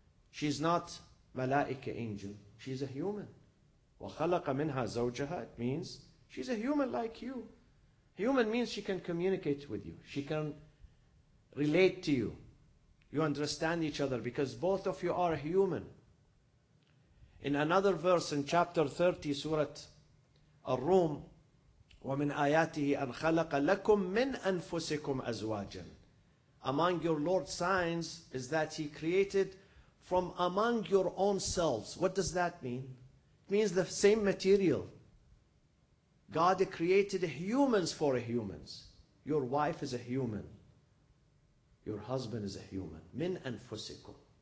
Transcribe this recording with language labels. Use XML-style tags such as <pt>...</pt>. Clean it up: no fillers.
<en>She's not malaika, angel. She's a human.</en> <ar>وَخَلَقَ مِنْهَا زَوْجَهَا.</ar> <en>It means she's a human like you. Human means she can communicate with you. She can relate to you. You understand each other because both of you are human. In another verse in chapter 30, Surah Ar-Rum,</en> <ar>وَمِنْ آيَاتِهِ أَنْ خَلَقَ لَكُمْ مِنْ أَنفُسِكُمْ أَزْوَاجًا.</ar> <en>Among your Lord's signs is that he created from among your own selves. What does that mean? It means the same material. God created humans for humans. Your wife is a human. Your husband is a human.</en> <ar>مِنْ أَنفُسِكُمْ.</ar>